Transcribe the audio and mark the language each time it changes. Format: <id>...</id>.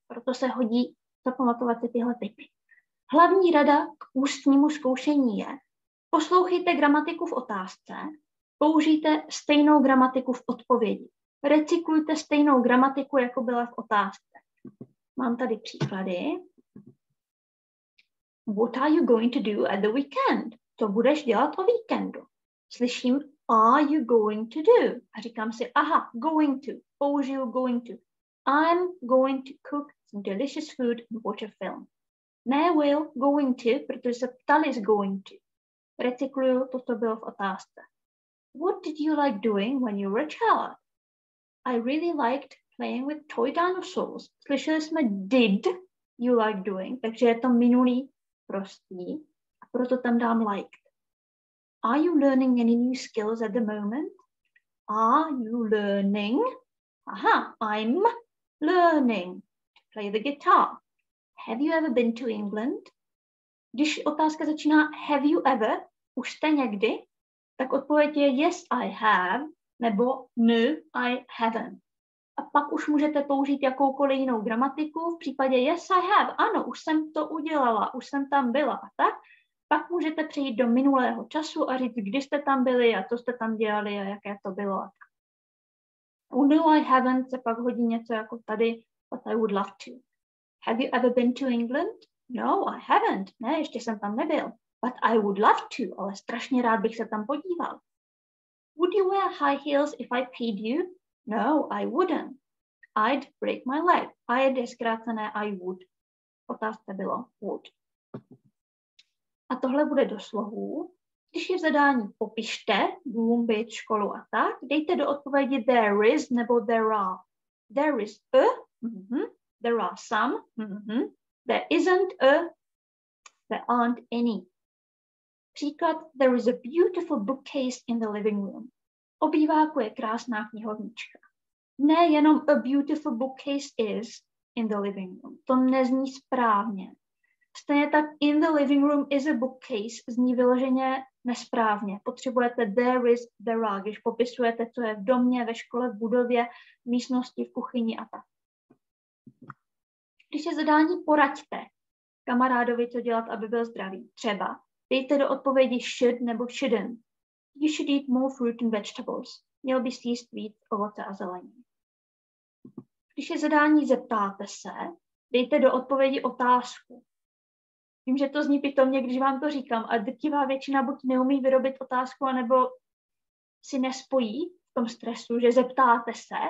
<cs>Proto se hodí zapamatovat si tyhle typy. Hlavní rada k ústnímu zkoušení je, poslouchejte gramatiku v otázce, použijte stejnou gramatiku v odpovědi. Recyklujte stejnou gramatiku, jako byla v otázce. Mám tady příklady.</cs> <en>What are you going to do at the weekend?</en> <cs>Co budeš dělat o víkendu? Slyším,</cs> <en>are you going to do?</en> <cs>A říkám si, aha, going to. Použiju going to.</cs> <en>I'm going to cook some delicious food and watch a film.</en> <cs>Ne, will, going to, protože se ptali z going to. Recykluju to, co bylo v otázce.</cs> <en>What did you like doing when you were a child? I really liked playing with toy dinosaurs.</en> <cs>Slyšeli jsme did you like doing, takže je to minulý prostý. A proto tam dám</cs> <en>liked. Are you learning any new skills at the moment? Are you learning? Aha, I'm learning to play the guitar. Have you ever been to England?</en> <cs>Když otázka začíná have you ever, už jste někdy, tak odpověď je</cs> <en>yes, I have,</en> <cs>nebo</cs> <en>no, I haven't.</en> <cs>A pak už můžete použít jakoukoliv jinou gramatiku, v případě</cs> <en>yes, I have,</en> <cs>ano, už jsem to udělala, už jsem tam byla a tak. Pak můžete přejít do minulého času a říct, kdy jste tam byli a co jste tam dělali a jaké to bylo a tak. U</cs> <en>no, I haven't</en> <cs>se pak hodí něco jako tady,</cs> <en>but I would love to. Have you ever been to England? No, I haven't.</en> <cs>Ne, ještě jsem tam nebyl.</cs> <en>But I would love to,</en> <cs>ale strašně rád bych se tam podíval.</cs> <en>Would you wear high heels if I paid you? No, I wouldn't. I'd break my leg. I'd,</en> <cs>je zkrácené,</cs> <en>I would.</en> <cs>Otázka bylo would. A tohle bude do slohů. Když je v zadání popište, dům, byt, školu a tak, dejte do odpovědi there is nebo there are.</cs> <en>There is a, there are some, there isn't a, there aren't any. Příklad, there is a beautiful bookcase in the living room.</en> <cs>Obýváku je krásná knihovnička. Ne jenom</cs> <en>a beautiful bookcase is in the living room.</en> <cs>To nezní správně. Stejně tak</cs> <en>in the living room is a bookcase</en> <cs>zní vyloženě nesprávně. Potřebujete there is, there are, když popisujete, co je v domě, ve škole, v budově, v místnosti, v kuchyni a tak. Když je zadání, poraďte kamarádovi, co dělat, aby byl zdravý. Třeba dejte do odpovědi should nebo shouldn't.</cs> <en>You should eat more fruit and vegetables.</en> <cs>Měl bys jíst víc ovoce a zeleniny. Když je zadání, zeptáte se, dejte do odpovědi otázku. Vím, že to zní pitomně, když vám to říkám, a drtivá většina buď neumí vyrobit otázku, anebo si nespojí v tom stresu, že zeptáte se.</cs>